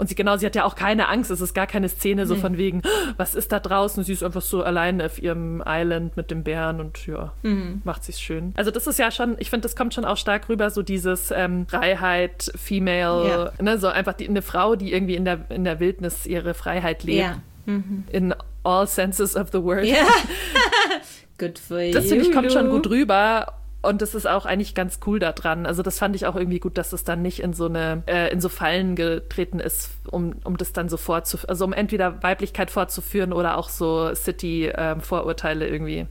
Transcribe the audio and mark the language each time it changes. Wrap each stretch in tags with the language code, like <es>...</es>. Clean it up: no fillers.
<de>Und sie hat ja auch keine Angst, es ist gar keine Szene so von wegen, was ist da draußen? Sie ist einfach so allein auf ihrem Island mit dem Bären und ja, macht sich schön. Also das ist ja schon, ich finde, das kommt schon auch stark rüber, so dieses Freiheit, Female, ne, so einfach eine Frau, die irgendwie in der Wildnis ihre Freiheit lebt.</de> <en>In all senses of the word. Yeah. Good for you.</en> <de>Das, finde ich, kommt schon gut rüber. Und das ist auch eigentlich ganz cool da dran. Also das fand ich auch irgendwie gut, dass es dann nicht in so eine in so Fallen getreten ist, um das dann so vorzuführen, also um entweder Weiblichkeit vorzuführen oder auch so City-Vorurteile irgendwie.</de>